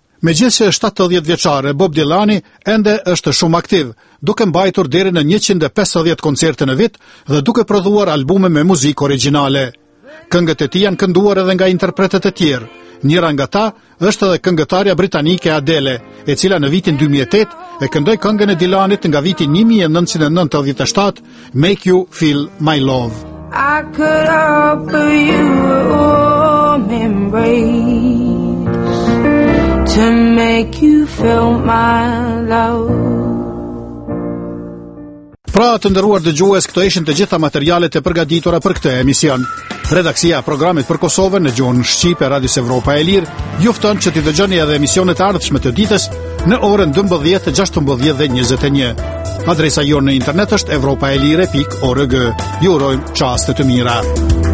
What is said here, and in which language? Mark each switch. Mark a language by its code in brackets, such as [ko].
[sq] Megjithëse 70 vjeçare, Bob Dylani ende është shumë aktiv, duke mbajtur deri në 150 koncerte në vit dhe duke prodhuar albume me muzikë origjinale. Këngët e tij janë kënduar edhe nga interpretet e tjerë. Njëra nga ta është edhe këngëtarja britanike Adele, e cila në vitin 2008 e këndoi këngën e Dylanit nga viti 1997, Make You Feel My Love. [en] I could offer you an embrace to make you feel my love. [sq] Pra, të nderuar dëgjues, këto ishin të gjitha materialet e përgatitura për këtë emision. Redaksia e programit për Kosovën në gjuhën shqipe Radios Evropa e Lirë ju fton që t'i dëgjoni edhe emisionet e ardhshme të ditës në orën 12, 16 dhe 21. Adresa jonë në internet është europaelire.org. Ju urojmë çaste të mira.